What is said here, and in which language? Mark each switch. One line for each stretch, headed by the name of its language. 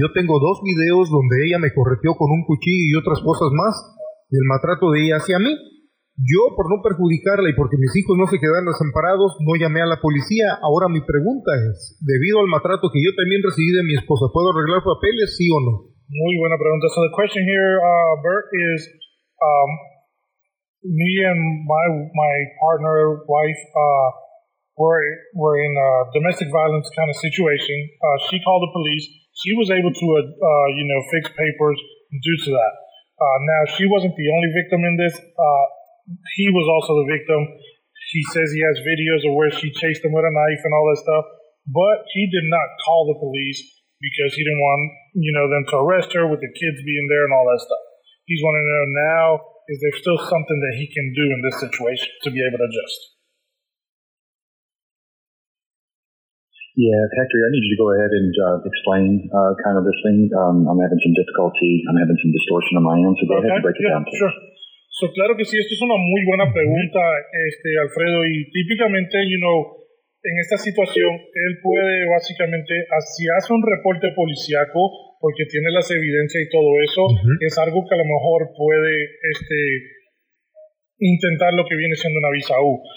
Spanish: Yo tengo 2 videos donde ella me correteó con un cuchillo y otras cosas más del maltrato de ella hacia mí. Yo, por no perjudicarla y porque mis hijos no se quedaran desamparados, no llamé a la policía. Ahora mi pregunta es, debido al maltrato que yo también recibí de mi esposa, ¿puedo arreglar papeles, sí o no? Muy buena pregunta.
English: So the question here, Bert, is me and my partner, wife, were in a domestic violence kind of situation. She called the police. She was able to, fix papers due to that. Now, she wasn't the only victim in this. He was also the victim. She says he has videos of where she chased him with a knife and all that stuff. But he did not call the police because he didn't want, them to arrest her with the kids being there and all that stuff. He's wanting to know now, is there still something that he can do in this situation to be able to adjust? Yeah, Patrick, I need you to go ahead and explain kind of this thing. I'm having some difficulty. I'm having some distortion on my end. So go ahead and break it down. Sure.
Spanish: So, claro que sí, esto es una muy buena pregunta, Alfredo, y típicamente, en esta situación, él puede básicamente, si hace un reporte policiaco, porque tiene las evidencias y todo eso, es algo que a lo mejor puede intentar lo que viene siendo una visa U.